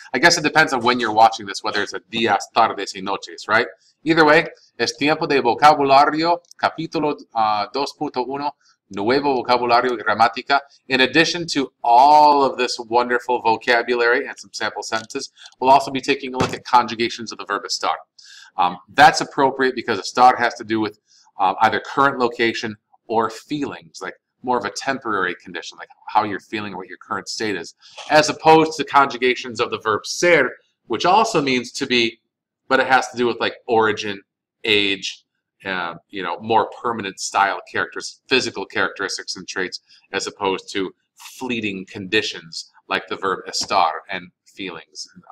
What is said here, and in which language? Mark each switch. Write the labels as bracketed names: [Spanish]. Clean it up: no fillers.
[English] I guess it depends on when you're watching this, whether it's a [Spanish] días, tardes, y noches, [English] right? Either way, [Spanish] es tiempo de vocabulario, capítulo 2.1, nuevo vocabulario y gramática. [English] In addition to all of this wonderful vocabulary and some sample sentences, we'll also be taking a look at conjugations of the verb estar. That's appropriate because estar has to do with either current location or feelings, like more of a temporary condition, like how you're feeling or what your current state is, as opposed to conjugations of the verb ser, which also means to be, but it has to do with like origin, age, you know, more permanent style characteristics, physical characteristics and traits, as opposed to fleeting conditions like the verb estar and feelings.